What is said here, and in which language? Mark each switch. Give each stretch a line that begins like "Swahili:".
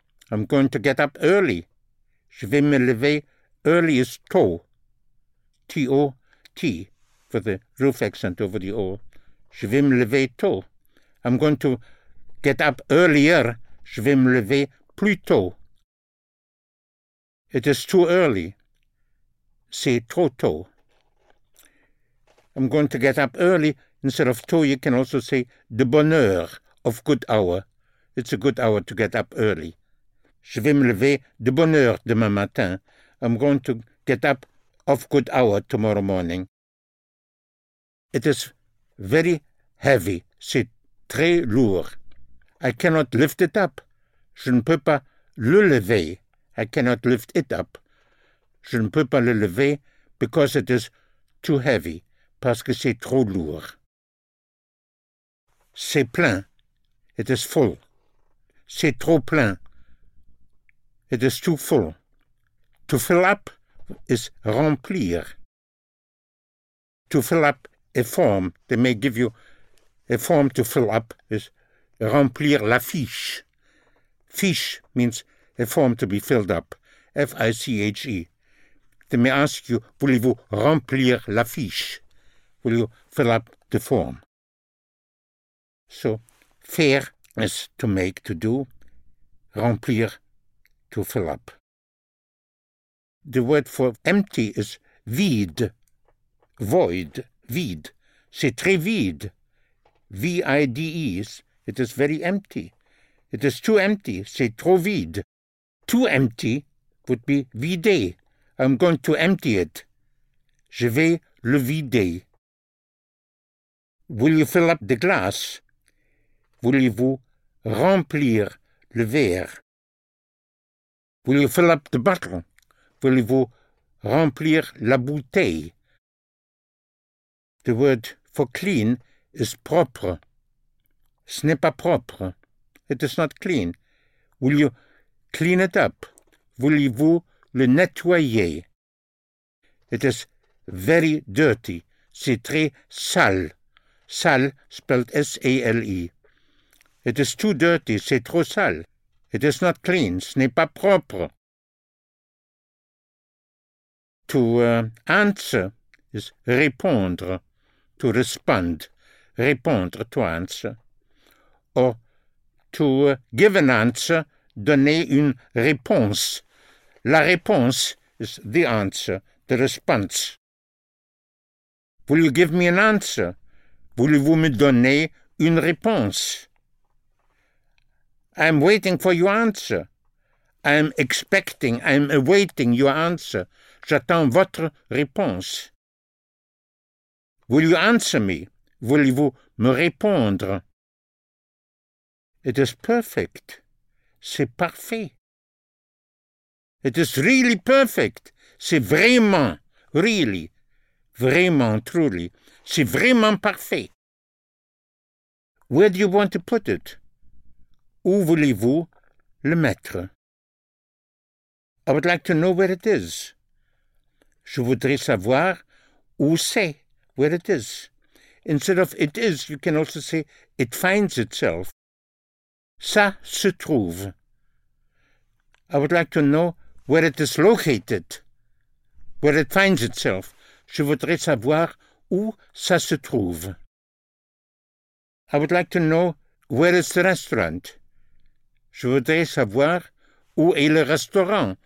English: I'm going to get up early,
French: je vais me lever,
English: early is tôt. T-O-T, for the roof accent over the O.
French: Je vais me lever tôt.
English: I'm going to get up earlier.
French: Je vais me lever plus tôt.
English: It is too early.
French: C'est trop tôt.
English: I'm going to get up early. Instead of tôt, you can also say
French: de bonne heure,
English: of good hour. It's a good hour to get up early.
French: Je vais me lever de bonne heure demain matin.
English: I'm going to get up of good hour tomorrow morning. It is very heavy.
French: C'est très lourd.
English: I cannot lift it up.
French: Je ne peux pas le lever.
English: I cannot lift it up.
French: Je ne peux pas le lever
English: because it is too heavy.
French: Parce que c'est trop lourd. C'est plein.
English: It is full.
French: C'est trop plein.
English: It is too full. To fill up is remplir. To fill up a form, they may give you a form to fill up, is
French: remplir la fiche.
English: Fiche means a form to be filled up, F-I-C-H-E. They may ask you,
French: voulez-vous remplir la fiche?
English: Will you fill up the form? So, faire is to make, to do, remplir, to fill up. The word for empty is vide, void, vide.
French: C'est très vide.
English: V-I-D-E. It is very empty. It is too empty.
French: C'est trop vide.
English: Too empty would be vidé. I'm going to empty it.
French: Je vais le vider.
English: Will you fill up the glass?
French: Voulez-vous remplir le verre?
English: Will you fill up the bottle?
French: Voulez-vous remplir la bouteille?
English: The word for clean is propre.
French: Ce n'est pas propre.
English: It is not clean. Will you clean it up?
French: Voulez-vous le nettoyer?
English: It is very dirty.
French: C'est très sale.
English: Sale, spelled S-A-L-E. It is too dirty.
French: C'est trop sale.
English: It is not clean.
French: Ce n'est pas propre.
English: To answer is répondre, to respond, répondre, to answer. Or to give an answer,
French: donner une réponse.
English: La réponse is the answer, the response. Will you give me an answer?
French: Voulez-vous me donner une réponse?
English: I'm waiting for your answer. I'm expecting, I'm awaiting your answer.
French: J'attends votre réponse.
English: Will you answer me?
French: Voulez-vous me répondre?
English: It is perfect.
French: C'est parfait.
English: It is really perfect.
French: C'est vraiment,
English: really, vraiment, truly.
French: C'est vraiment parfait.
English: Where do you want to put it?
French: Où voulez-vous le mettre?
English: I would like to know where it is.
French: Je voudrais savoir où c'est,
English: where it is. Instead of it is, you can also say it finds itself.
French: Ça se trouve.
English: I would like to know where it is located, where it finds itself.
French: Je voudrais savoir où ça se trouve.
English: I would like to know where is the restaurant.
French: Je voudrais savoir où est le restaurant.